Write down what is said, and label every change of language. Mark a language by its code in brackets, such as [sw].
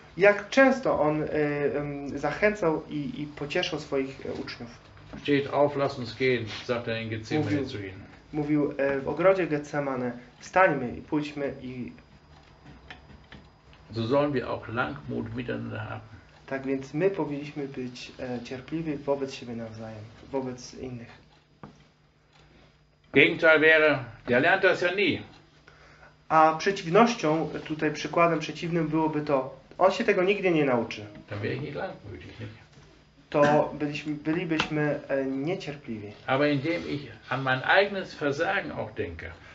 [pl] Jak często on zachęcał i pocieszał swoich uczniów. [de] Steht auf, lass uns gehen, sagt er in Getsemane zu ihnen. [pl] Mówił w ogrodzie Getsemane, wstańmy i pójdźmy i. [de] So sollen wir auch Langmut miteinander haben. [pl] Tak więc my powinniśmy być cierpliwi wobec siebie nawzajem, wobec innych. [de] Gegenteil wäre, der lernt das ja nie. [pl] A przeciwnością, tutaj przykładem przeciwnym byłoby to, on się tego nigdy nie nauczy. [de] Dann wäre ich nicht langmütig. [pl] To bylibyśmy niecierpliwi. [de] Aber indem ich an mein eigenes Versagen auch denke.